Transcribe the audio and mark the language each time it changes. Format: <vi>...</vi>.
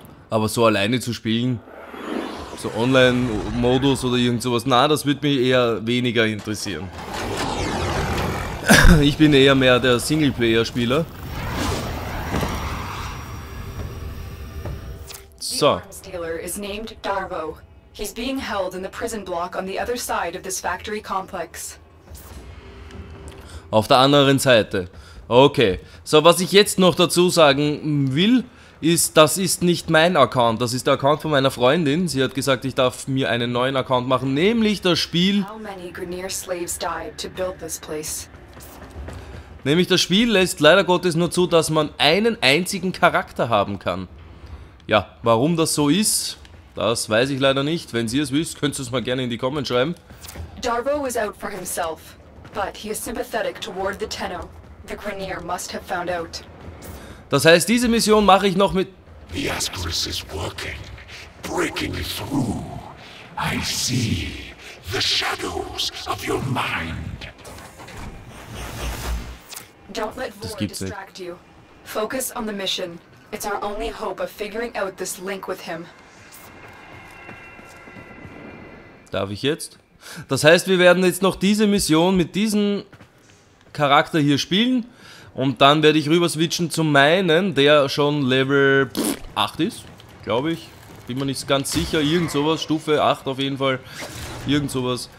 <de>Aber so alleine zu spielen, so Online-Modus oder irgend sowas, na, das würde mich eher weniger interessieren. Ich bin eher mehr der Singleplayer-Spieler. So. Der Arms-Dealer ist named Darvo.</de> <en>He's being held in the prison block on the other side of this factory complex.</en> <de>Auf der anderen Seite. Okay. So, was ich jetzt noch dazu sagen will, ist, das ist nicht mein Account, das ist der Account von meiner Freundin. Sie hat gesagt, ich darf mir einen neuen Account machen, nämlich das Spiel.</de> <en>How many Grineer slaves died to build this place?</en> <de>Nämlich das Spiel lässt leider Gottes nur zu, dass man einen einzigen Charakter haben kann. Ja, warum das so ist, das weiß ich leider nicht. Wenn Sie es wisst, könnt ihr es mal gerne in die Comments schreiben.</de> <en>Darvo is out for himself, but he is sympathetic toward the Tenno. The Grineer must have found out.</en> <de>Das heißt, diese Mission mache ich noch mit...</de> <en>The Ascaris is working. Breaking through. I see the shadows of your mind. Don't let Vor distract you. Focus on the mission. It's our only hope of figuring out this link with him.</en> <de>Darf ich jetzt? Das heißt, wir werden jetzt noch diese Mission mit diesem Charakter hier spielen. Und dann werde ich rüber switchen zu meinen, der schon Level 8 ist, glaube ich. Bin mir nicht ganz sicher, irgend sowas, Stufe 8 auf jeden Fall, irgend sowas.</de>